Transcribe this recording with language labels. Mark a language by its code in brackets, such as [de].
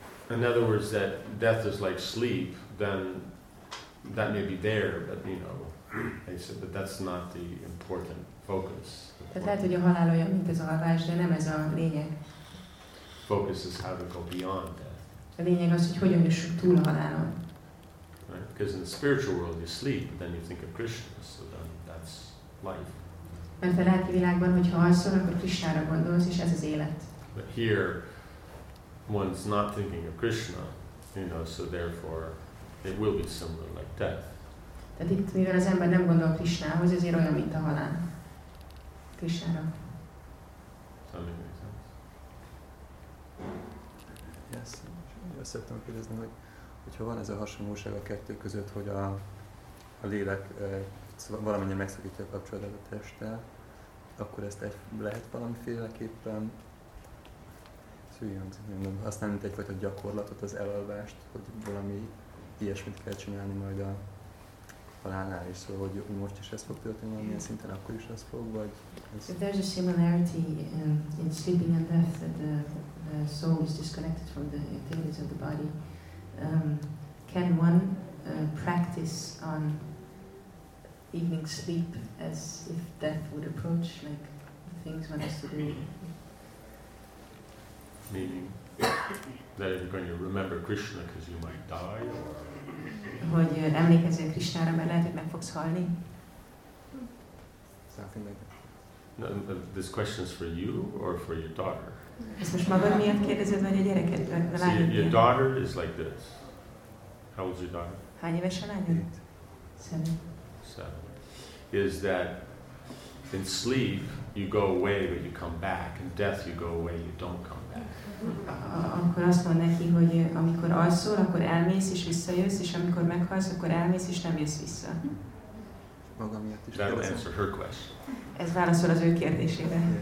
[en] In other words, that death is like sleep, then that may be there, but you know, I said, but that's not the important focus. [hu] Tehát lehet, hogy a halál olyan, mint ez a halás, de nem ez a lényeg. [en] Focus is how to go beyond death. [hu] A lényeg az, hogy hogyan jussunk túl a halálon. [en] Right? Because in the spiritual world you sleep, then you think of Krishna, so then that's life. [hu] Mert a lelki világban, hogyha alszol, akkor Krishnára gondolsz, és ez az élet. [en] But here, one's not thinking of Krishna, you know, so therefore it will be similar like death. [hu] Tehát itt, mivel az ember nem gondol Krishnához, ezért olyan, mint a halál. Krishnára. [en] Something makes sense. Yes. [hu] Azt szerettem kérdezni, hogyha van ez a hasonlóság a kettő között, hogy a lélek valamennyire megszakítja a kapcsolatot a testtel, akkor ezt lehet valamiféleképpen aztán mint egyfajta gyakorlatot, az elalvást, hogy valami ilyesmit kell csinálni majd a halálnál is. Szóval, hogy most is ez fog történni, valamilyen szinten akkor is ez fog, vagy... [en] If there's a similarity in sleeping and death, that the soul is disconnected from the activities of the body, can one practice on evening sleep as if death would approach, like the things one has to do? Meaning that you're going to remember Krishna because you might die, or [hu] hogy emlékezzél Krishnára, mert lehet, hogy meg fogsz halni. [en] No, this question is for you or for your daughter. [hu] Ez most magad miatt kérdezed, vagy a gyereket, a lányod? [en] See, your daughter is like this. How old is your daughter? [hu] Hány éves a lányod? [en] Seven. Is that in sleep you go away but you come back, in death you go away you don't come back. [hu] Akkor azt mond neki, hogy amikor alszol, akkor elmész és visszajössz, és amikor meghalsz, akkor elmész és nem jössz vissza. Maga miatt is. [en] That'll answer her question. [hu] Ez válaszol az ő kérdésére.